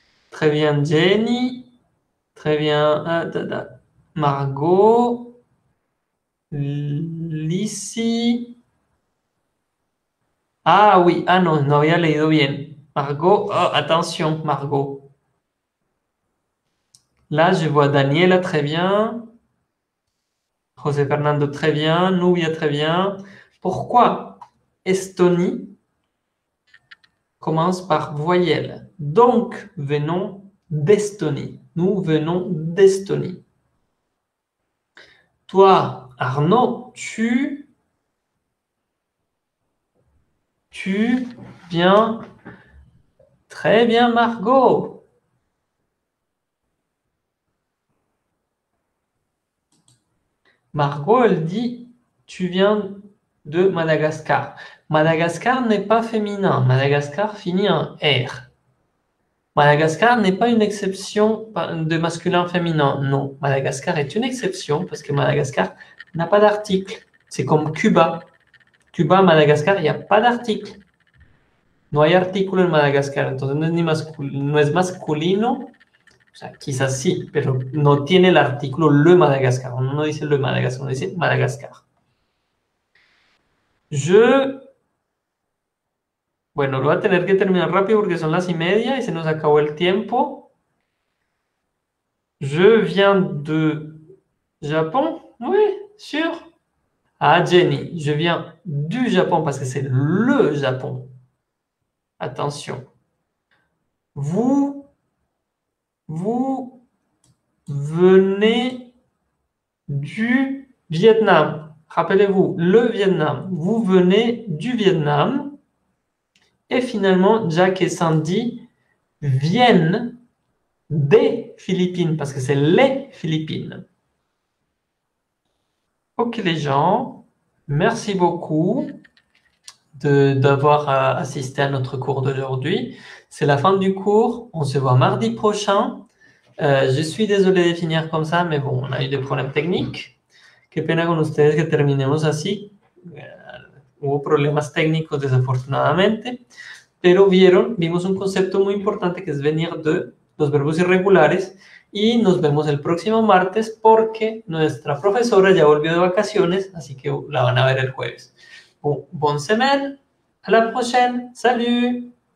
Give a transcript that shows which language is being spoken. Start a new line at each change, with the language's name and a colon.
French: Très bien, Jenny. Très bien, Margot. Lissi. Ah oui, ah non,
Spanish: no había leído bien.
French: Margot, oh, attention, Margot. Là, je vois Daniela, très bien. José Fernando, très bien. Nubia, très bien. Pourquoi Estonie commence par voyelle? Donc, venons d'Estonie. Nous venons d'Estonie. Toi, Arnaud, tu viens. Très bien, Margot. Margot, elle dit, tu viens de Madagascar. Madagascar n'est pas féminin. Madagascar finit en R. Madagascar n'est pas une exception de masculin-féminin. Non, Madagascar est une exception parce que Madagascar n'a pas d'article. C'est comme Cuba. Cuba, Madagascar, il n'y a pas d'article.
Spanish: No hay artículo en Madagascar, entonces no es, ni masculino, no es masculino, o sea, quizás sí, pero no tiene el artículo le Madagascar. Uno no dice le Madagascar, uno dice Madagascar. Yo, bueno, lo voy a tener que terminar rápido porque son las y media y se nos acabó el tiempo.
French: Je viens de Japón, oui, sûr. Ah, Jenny, je viens du Japón parce que c'est le Japón. Attention, vous venez du Vietnam. Rappelez-vous, le Vietnam. Vous venez du Vietnam. Et finalement, Jack et Sandy viennent des Philippines, parce que c'est les Philippines. Ok les gens, merci beaucoup d'avoir assisté à notre cours d'aujourd'hui. C'est la fin du cours. On se voit mardi prochain. Je suis désolé de finir comme ça, mais bon, on a eu des problèmes techniques.
Spanish: Qué pena con ustedes que terminemos así. Hubo problemas técnicos, desafortunadamente. Pero vimos un concepto muy importante que es venir de los verbos irregulares. Y nos vemos el próximo martes porque nuestra profesora ya volvió de vacaciones, así que la van a ver el jueves.
French: Bon, bonne semaine, à la prochaine, salut!